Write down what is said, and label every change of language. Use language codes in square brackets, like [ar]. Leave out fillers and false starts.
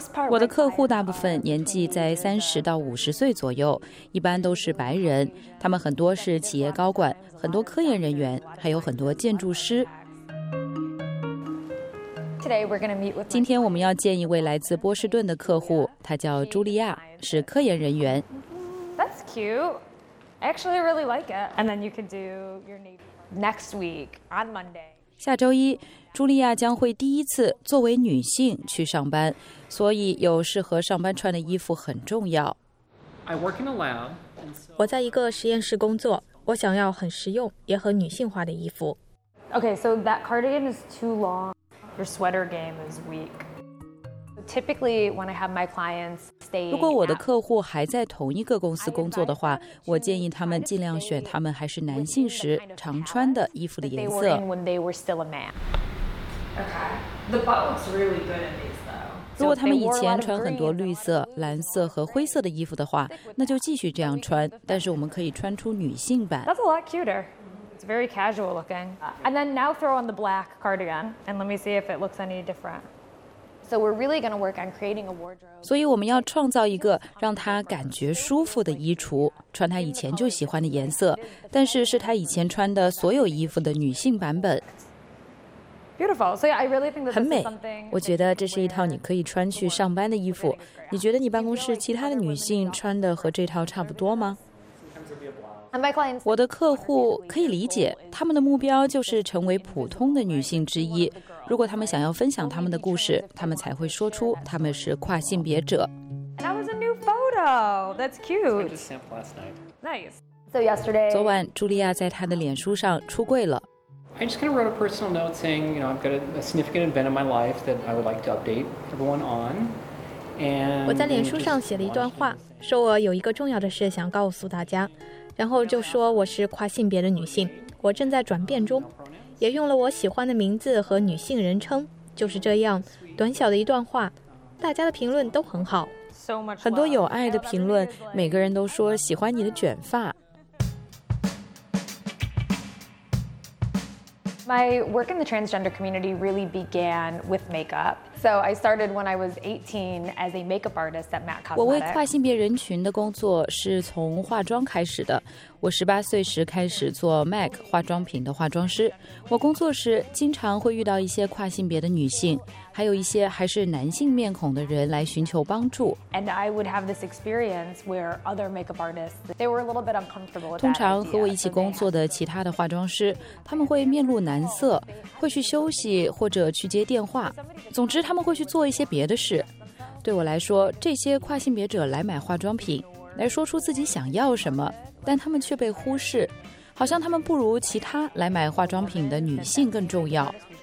[zh] 我的客户大部分年纪在30到50岁左右，一般都是白人，他们很多是企业高管，很多科研人员，还有很多建筑师。今天我们要见一位来自波士顿的客户，他叫茱莉亚，是科研人员。 [en] That's cute. I actually really like it. And then you can do your next week on Monday. [zh] 下周一，茱莉亚将会第一次作为女性去上班，所以有适合上班穿的衣服很重要。我在一个实验室工作，我想要很实用也很女性化的衣服。 [en] Okay, so that cardigan is too long. Your sweater game is weak. Typically, when I have my clients stay. [zh] 如果我的客户还在同一个公司工作的话，我建议他们尽量选他们还是男性时常穿的衣服的颜色。 [en] Okay, the butt looks really good in these though. [zh] 如果他们以前穿很多绿色、蓝色和灰色的衣服的话，那就继续这样穿，但是我们可以穿出女性版。 [en] That's a lot cuter. It's very casual looking. And then now throw on the black cardigan and let me see if it looks any different. So we're really going to work on creating a wardrobe. [zh] 所以我们要创造一个让她感觉舒服的衣橱，穿她以前就喜欢的颜色，但是是她以前穿的所有衣服的女性版本。 [en] Beautiful. So yeah, I really think that this is something. [zh] 我觉得这是一套你可以穿去上班的衣服。你觉得你办公室其他的女性穿的和这套差不多吗？我的客户可以理解，他们的目标就是成为普通的女性之一。如果他们想要分享他们的故事，他们才会说出他们是跨性别者。 [en] That was a new photo. That's cute. Nice. So yesterday, [zh] 昨晚茱莉亚在她的脸书上出柜了。 [en] I just kind of wrote a personal note saying, you know, I've got a significant event in my life that I would like to update everyone on. And [zh] 我在脸书上写了一段话，说我有一个重要的事想告诉大家。然后就说我是跨性别的女性，我正在转变中，也用了我喜欢的名字和女性人称，就是这样短小的一段话，大家的评论都很好，很多有爱的评论，每个人都说喜欢你的卷发。 [en] My work in the transgender community really began with makeup. So I started when I was 18 as a makeup artist at MAC Cosmetics. [zh] 我为跨性别人群的工作是从化妆开始的。我18岁时开始做 MAC 化妆品的化妆师。我工作时经常会遇到一些跨性别的女性，还有一些还是男性面孔的人来寻求帮助。 [en] And I would have this experience where other makeup artists, they were a little bit uncomfortable. [zh] 通常和我一起工作的其他的化妆师，他们会面露难色，会去休息或者去接电话。总之，他们会去做一些别的事。对我来说，这些跨性别者来买化妆品，来说出自己想要什么，但他们却被忽视，好像他们不如其他来买化妆品的女性更重要。